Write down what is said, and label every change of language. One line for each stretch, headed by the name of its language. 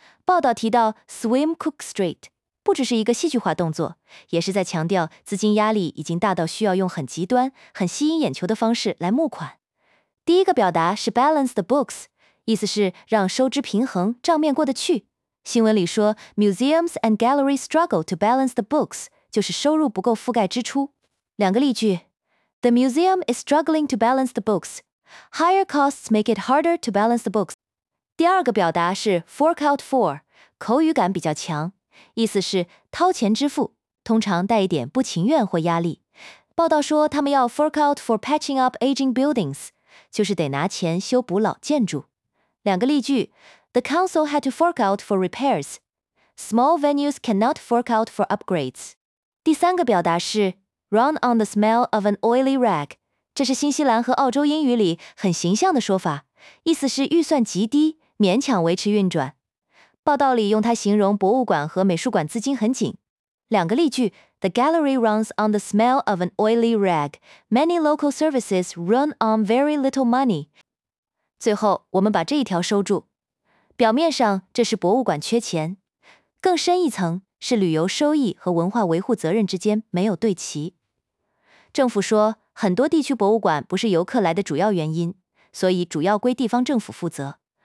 Chinese: 报道提到 Swim Cook Strait 不只是一个戏剧化动作，也是在强调资金压力已经大到需要用很极端、很吸引眼球的方式来募款。第一个表达是 balance the books， 意思是让收支平衡，账面过得去。新闻里说
English: museums and galleries struggle to balance the books，
Chinese: 就是收入不够覆盖支出。两个例句，
English: The museum is struggling to balance the books。 Higher costs make it harder to balance the books。
Chinese: 第二个表达是 fork out for， 口语感比较强，意思是掏钱支付，通常带一点不情愿或压力。报道说他们要
English: fork out for patching up aging buildings，
Chinese: 就是得拿钱修补老建筑。两个例句
English: ，The council had to fork out for repairs， small venues cannot fork out for upgrades。
Chinese: 第三个表达是
English: run on the smell of an oily rag。
Chinese: 这是新西兰和澳洲英语里很形象的说法，意思是预算极低，勉强维持运转。报道里用它形容博物馆和美术馆资金很紧。两个例句
English: ，The gallery runs on the smell of an oily rag. Many local services run on very little money.
Chinese: 最后，我们把这一条收住。表面上，这是博物馆缺钱，更深一层是旅游收益和文化维护责任之间没有对齐。政府说，很多地区博物馆不是游客来的主要原因，所以主要归地方政府负责。